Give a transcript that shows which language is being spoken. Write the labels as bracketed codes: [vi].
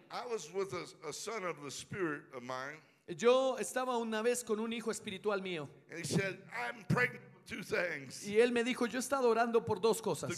[en] I was with a son of the spirit of mine. [es] Yo estaba una vez con un hijo espiritual mío. [en] And he said, "I'm pregnant with two things." [es] Y él me dijo, yo he estado orando por dos cosas.